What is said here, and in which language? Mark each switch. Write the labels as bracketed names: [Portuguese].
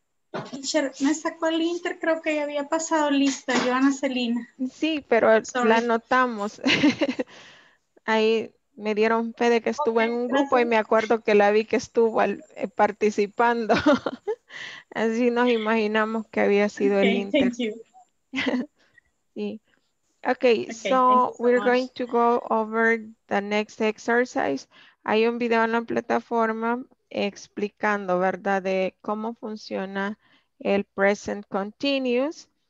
[Spanish] Teacher, me sacó el inter, creo que ya había pasado lista, Joana Celina. Sí, pero sorry. La anotamos. Ahí me dieron fe de que estuvo en un grupo y me acuerdo que la vi que estuvo participando. Así nos imaginamos que había sido el inter. [English] Okay, so we're going to go over the next exercise. [Spanish] Hay un video en la plataforma explicando, ¿verdad?, de cómo funciona el present continuous.